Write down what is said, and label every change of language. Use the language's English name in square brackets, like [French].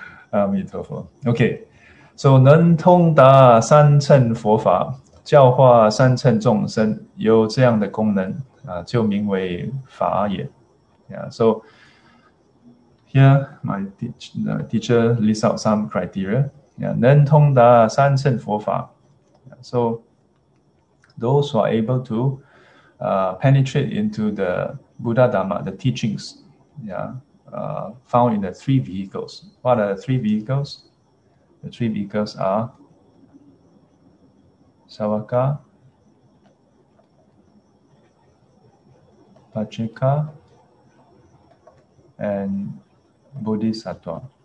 [Chinese] Amitabha. Okay. So, 能通达三乘佛法,教化三乘众生,有这样的功能, 就名为法也. [English] Yeah, so, here, my teacher lists out some criteria. [Chinese] Yeah, 能通达三乘佛法. [English] Yeah, so, those who are able to penetrate into the Buddha Dharma, the teachings, yeah, found in the three vehicles. What are the three vehicles? The three vehicles are Savaka, Pacheka, and Bodhisattva.